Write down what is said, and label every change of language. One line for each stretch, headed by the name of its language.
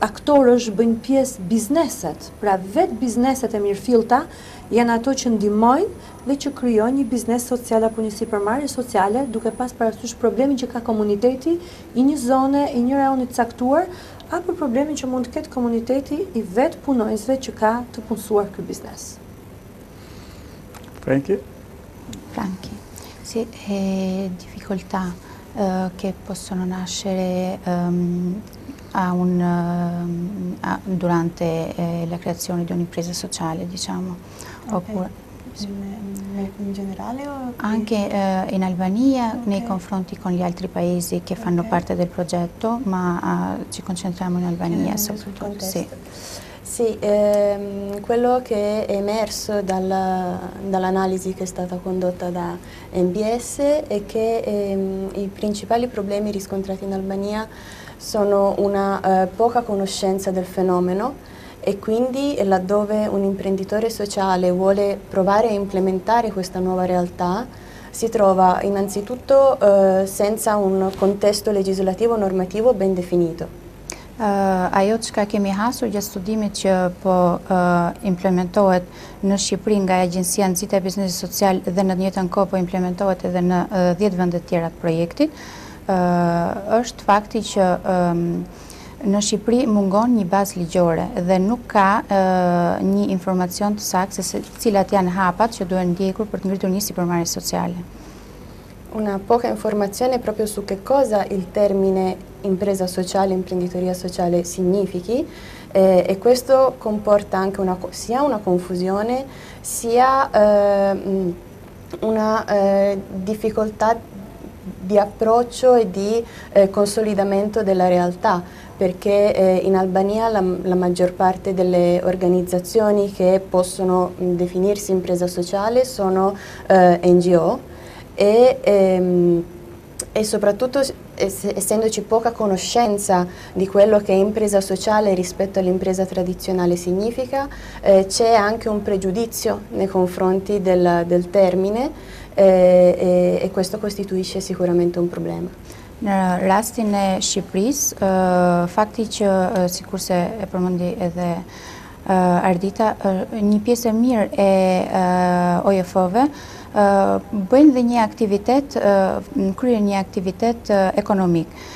Albanian: aktorësh bëjnë pjesë bizneset, pra vetë bizneset e mirëfillta janë ato që ndihmojnë dhe që krijojnë një biznes social apo një sipërmarrje sociale duke pas parasysh problemin që ka komuniteti i një zone, i një rajoni të caktuar apo problemin që mund të ketë komuniteti i vetë punojësve që ka të punësuar këtë biznes. Franki. Franki.
Italian: Sì, e difficoltà che possono nascere durante la creazione di un'impresa sociale, diciamo. Oppure, in generale? O anche in Albania, okay. Nei confronti con gli altri paesi che fanno okay. parte del progetto, ma ci concentriamo in Albania soprattutto. Sì. Sì, quello che è emerso dall'analisi che è stata condotta da MBS è che i principali problemi riscontrati in Albania sono una poca conoscenza del fenomeno e quindi laddove un imprenditore sociale vuole provare a implementare questa nuova realtà si trova innanzitutto senza un contesto legislativo normativo ben definito.
Albanian: Ajo çka kemi hasur gjatë studimit që po implementohet në Shqipëri nga Agjencia Nxitja e Biznesit Social dhe në të njëjtën kohë po implementohet edhe në 10 vende të tjera të projektit, është fakti që në Shqipëri mungon një bazë ligjore dhe nuk ka një informacion të saktë se cilat janë hapat që duhen ndjekur për të ngritur një sipërmarrje sociale.
Italian: Una poca informazione proprio su che cosa il termine impresa sociale, imprenditoria sociale significhi e questo comporta anche sia una confusione sia una difficoltà di approccio e di consolidamento della realtà perché in Albania la maggior parte delle organizzazioni che possono definirsi impresa sociale sono NGO e soprattutto essendoci poca conoscenza di quello che impresa sociale rispetto all'impresa tradizionale significa, c'è anche un pregiudizio nei confronti del termine e questo costituisce sicuramente un problema.
Albanian: Në rastin e Shqipëris, fakti që sikurse e përmendi edhe Ardita, një pjesë e mirë e OIF-ve bëjnë dhe një aktivitet, kryen një aktivitet ekonomik.